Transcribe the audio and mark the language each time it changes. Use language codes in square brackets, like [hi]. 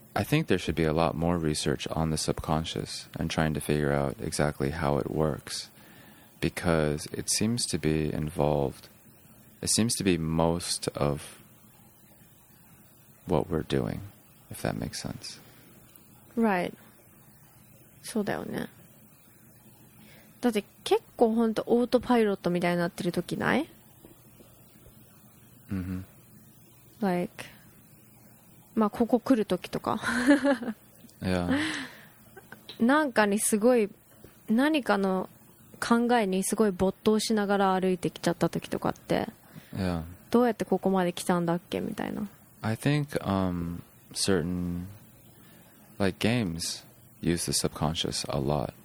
[en] I think there should be a lot more research on the subconscious and trying to figure out exactly how it works, because it seems to be involved. It seems to be most of what we're doing, if that makes sense. [ja] Right. そうだよね。だって結構本当オートパイロットみたいになってる時ない？ Mm-hmm. [en] Like. [ja] まあ、ここ来るときとか [en] <Yeah. [ja] S 1> なんかにすごい何かの考えにすごい没頭しながら歩いてきちゃったときとかって [en] <Yeah. [ja] S 1> どうやってここまで来たんだっけみたいな。 [en] I think certain like games use the subconscious a lot、mm.